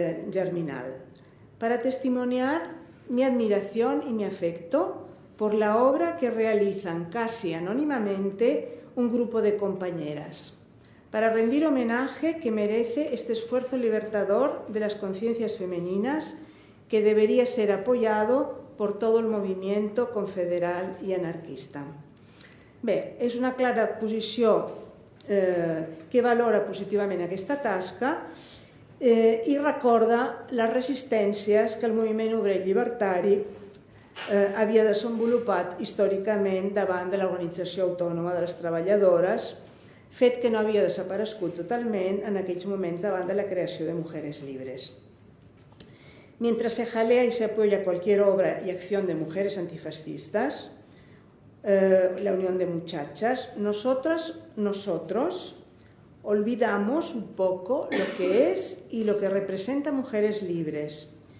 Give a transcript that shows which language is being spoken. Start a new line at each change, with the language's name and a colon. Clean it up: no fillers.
Spanish: germinal, para testimoniar mi admiración y mi afecto por la obra que realizan casi anónimamente un grupo de compañeras, para rendir homenaje que merece este esfuerzo libertador de las conciencias femeninas que debería ser apoyado por todo el movimiento confederal y anarquista.
Catalan: Bé, és una clara posició que valora positivament aquesta tasca i recorda les resistències que el moviment obrer llibertari havia desenvolupat històricament davant de l'Organització Autònoma de les Treballadores, fet que no havia desaparegut totalment en aquells moments davant de la creació de Mujeres Libres.
Spanish: Mientras se jalea y se apoya cualquier obra y acción de mujeres antifascistas, la unión de muchachas, nosotros olvidamos un poco lo que es y lo que representa Mujeres Libres.